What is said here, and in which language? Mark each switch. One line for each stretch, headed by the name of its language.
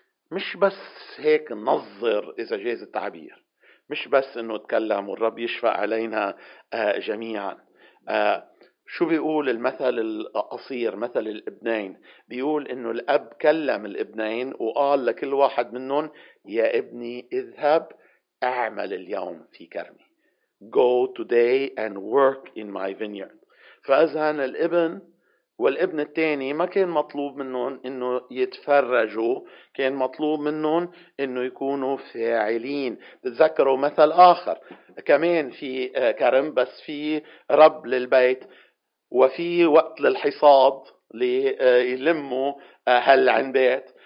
Arabic: مش بس هيك نظر إذا جاز التعبير، مش بس إنه تكلم والرب يشفى علينا جميعا. شو بيقول المثل القصير، مثل الابنين؟ بيقول انه الاب كلم الابنين وقال لكل واحد منهم: يا ابني اذهب اعمل اليوم في كرمي.
English: Go today and work in my vineyard.
Arabic: فاذهن الابن والابن الثاني ما كان مطلوب منهم انه يتفرجوا، كان مطلوب منهم انه يكونوا فاعلين. تذكروا مثل اخر كمان في كرم، بس في رب للبيت وفي وقت للحصاد ليلموا هالعنبات.